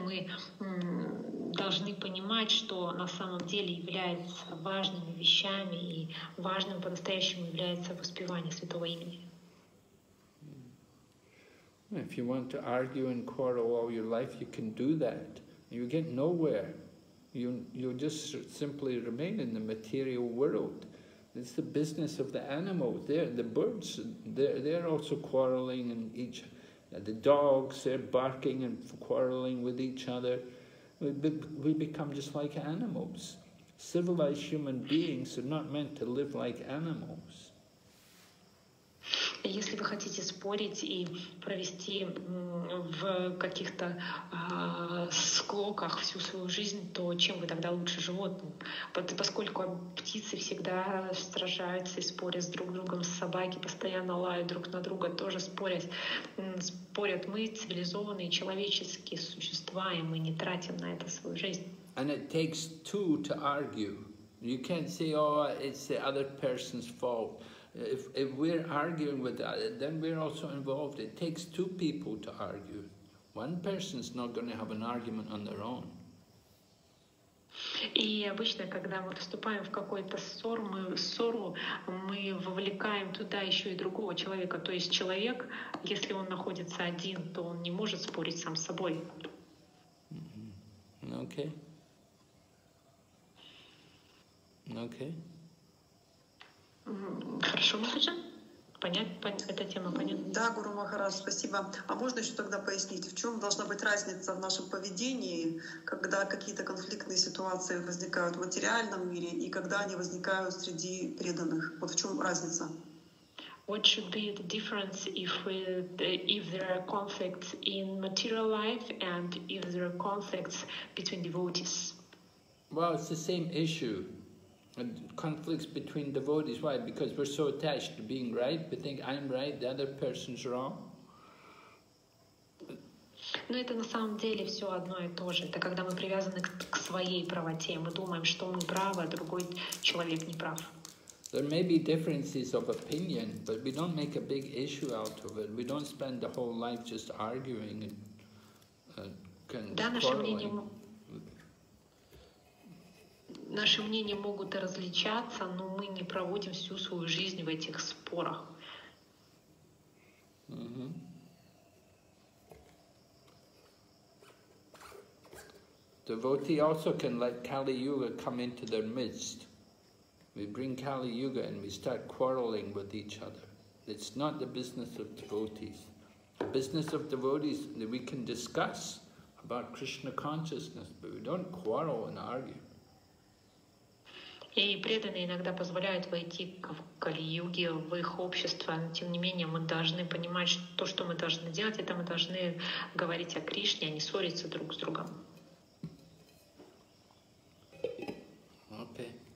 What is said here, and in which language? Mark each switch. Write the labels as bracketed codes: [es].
[ru] Мы должны понимать, что на самом деле является важными вещами, и важным по-настоящему является воспевание святого имени. [en] If you want to argue and quarrel all your life, you can do that. You get nowhere. You just simply remain in the material world. It's the business of the animal. The birds, they're also quarreling, and each, the dogs, they're barking and quarreling with each other. We become just like animals. Civilized human beings are not meant to live like animals. [ru] Если вы хотите спорить и провести в каких-то склоках всю свою жизнь, то чем вы тогда лучше животных? Поскольку птицы всегда сражаются и спорят с друг другом, собаки постоянно лают друг на друга, тоже спорят. Мы цивилизованные человеческие существа, и мы не тратим на это свою жизнь. [en] And it takes two to argue. You can't say, oh, it's the other person's fault. If we're arguing with that, then we're also involved. It takes two people to argue. One person's not going to have an argument on their own. [ru] И обычно, когда мы вступаем в какую-то ссору, мы вовлекаем туда еще и другого человека. То есть человек, если он находится один, то он не может спорить сам с собой. [en] Okay. [ru] Хорошо, Махаджан? Эта тема понятна? Да, Гуру Махарадж, спасибо. А можно еще тогда пояснить, в чем должна быть разница в нашем поведении, когда какие-то конфликтные ситуации возникают в материальном мире и когда они возникают среди преданных? Вот в чем разница? [en] What should be the difference if there are conflicts in material life and if there are conflicts between devotees? Well, it's the same issue. And conflicts between devotees, why? Because we're so attached to being right, we think I'm right, the other person's wrong. [ru] Но это на самом деле все одно и то же. Это когда мы привязаны к своей правоте, мы думаем, что мы правы, а другой человек не прав. [en] There may be differences of opinion, but we don't make a big issue out of it. We don't spend the whole life just arguing and quarreling. [ru] Наши мнения могут различаться, но мы не проводим всю свою жизнь в этих спорах. [en] Devotee also can let Kali Yuga come into their midst. We bring Kali Yuga and we start quarreling with each other. It's not the business of devotees. The business of devotees that we can discuss about Krishna consciousness, but we don't quarrel and argue. [ru] И преданные иногда позволяют войти в Кали-Юге, в их общество, но тем не менее мы должны понимать, что то, что мы должны делать, это мы должны говорить о Кришне, а не ссориться друг с другом. [en] Okay.